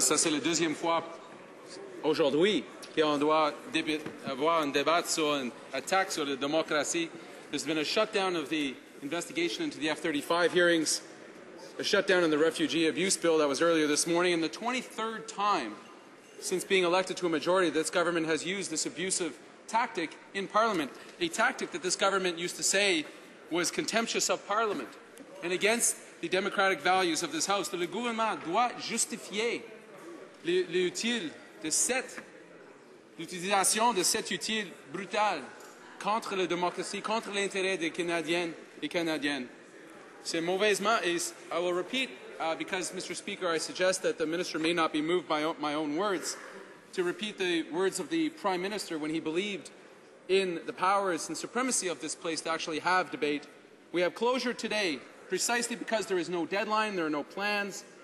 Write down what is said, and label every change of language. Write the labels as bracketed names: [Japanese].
[French] Ça, c'est la deuxième fois aujourd'hui qu'on doit avoir un débat sur une attaque sur la démocratie. [English] There's been a shutdown of the investigation into the F-35 hearings, a shutdown in the refugee abuse bill that was earlier this morning, and the 23rd time since being elected to a majority this government has used this abusive tactic in Parliament, a tactic that this government used to say was contemptuous of Parliament and against the democratic values of this House. [French] Le gouvernement doit justifier l'utilisation de cet outil brutal contre la démocratie, contre l'intérêt des Canadiens et Canadiennes. C'est mauvaisement, et [English] I will repeat, because, Mr. Speaker, I suggest that the Minister may not be moved by my own words, to repeat the words of the Prime Minister when he believed in the powers and supremacy of this place to actually have debate. We have closure today precisely because there is no deadline, there are no plans.